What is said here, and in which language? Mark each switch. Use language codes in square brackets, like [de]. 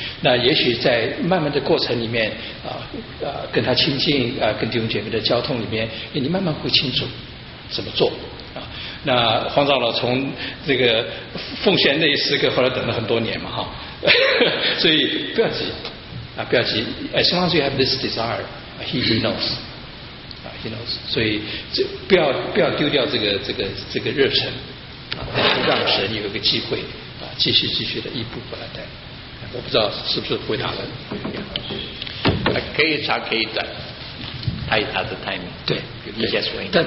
[zh] 那也许在慢慢的过程里面，跟他亲近，跟弟兄姐妹的交通里面，你慢慢会清楚怎么做。那黄长老从这个奉献那一时刻，后来等了很多年嘛，哈，所以不要急啊，不要急。 [en] As long as you have this desire, he knows, he knows. [zh] 所以这不要丢掉这个热忱啊，让神有一个机会啊，继续的一步步来带。我不知道是不是回答了，可以长可以短，他有他的 timing, 对，有一些原因。